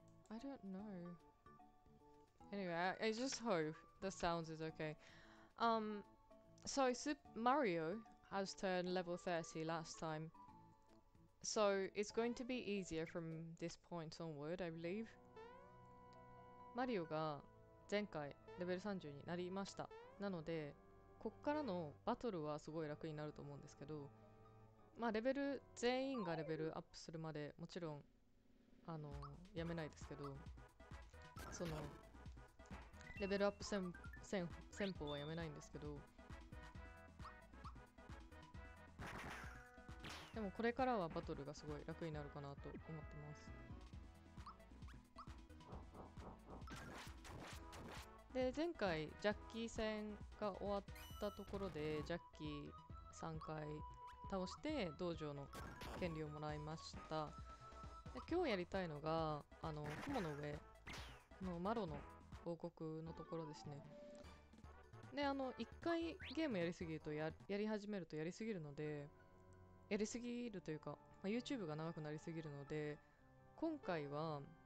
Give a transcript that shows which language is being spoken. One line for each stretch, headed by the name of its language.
English: I don't know. Anyway, I just hope the sound is okay. So Super Mario has turned level 30 last time. So it's going to be easier from this point onward, I believe.
Japanese: マリオが前回レベル30になりました。なのでこっからのバトルはすごい楽になると思うんですけど、まあレベル全員がレベルアップするまでもちろんやめないですけど、そのレベルアップ戦法はやめないんですけど、でもこれからはバトルがすごい楽になるかなと思ってます。で、前回ジャッキー戦が終わったところでジャッキー3回倒して道場の権利をもらいました。で、今日やりたいのが雲の上のマロの王国のところですね。で、1回ゲームやりすぎると、やり始めるとやりすぎるので、やりすぎるというか、まあ、YouTube が長くなりすぎるので、今回は